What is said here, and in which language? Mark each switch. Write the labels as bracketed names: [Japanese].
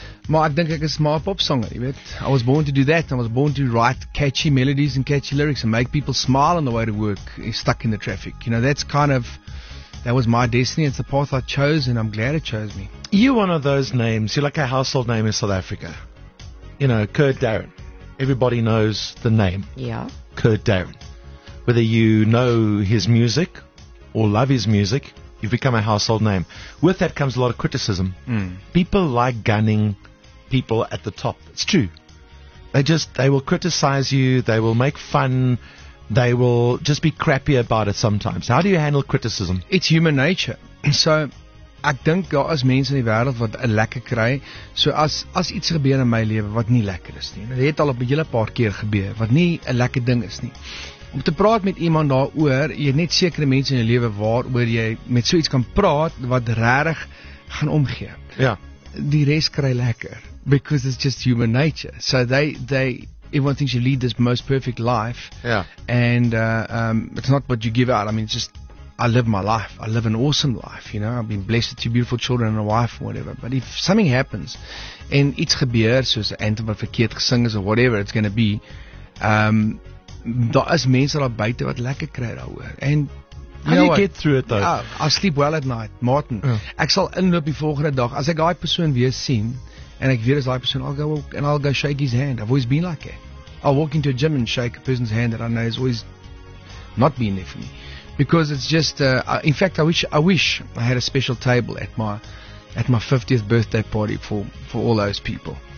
[Afrikaans] Maar ek dink ek is maar 'n pop songer, jy weet. [English] I was born to do that. I was born to write catchy melodies and catchy lyrics and make people smile on the way to work, stuck in the traffic. You know, that's kind of... That was my destiny. It's the path I chose, and I'm glad it chose me. You're one of those names. You're like a household name in South Africa. You know, Kurt Darren. Everybody knows the name. Yeah. Kurt Darren. Whether you know his music or love his music, you've become a household name. With that comes a lot of criticism. People like gunning people at the top. It's true. They will criticize you. They will make fun. They will just be crappy about it sometimes. How do you handle criticism? It's human nature. So [Afrikaans] ek dink daar is mense in die wêreld wat 'n lekker kry. So as iets gebeur in my lewe wat nie lekker is nie. Dit het al op 'n hele paar keer gebeur wat nie 'n lekker ding is nie. Om te praat met iemand daaroor, jy net sekere mense in jou lewe waaroor jy met so iets kan praat wat regtig gaan omgee. Ja. Die res kry lekker [English] because it's just human nature. So they everyone thinks you lead this most perfect life. Yeah. And it's not what you give out. I mean, it's just I live my life. I live an awesome life, you know. I've been blessed with two beautiful children and a wife or whatever. But if something happens and [Afrikaans] iets gebeur soos 'n anthem wat verkeerd gesing is [English] or whatever it's going to be, [Afrikaans] daar is mense daar buite wat lekker kry daaroor. [English] And how do you get through it though? I sleep well at night, Martin. Yeah. [Afrikaans] Ek sal inloop die volgende dag as ek daai persoon weer sien. [English] And I give this like person, I'll go shake his hand. I've always been like that. I'll walk into a gym and shake a person's hand that I know has always not been there for me. Because it's just, in fact, I wish I had a special table at my 50th birthday party for all those people.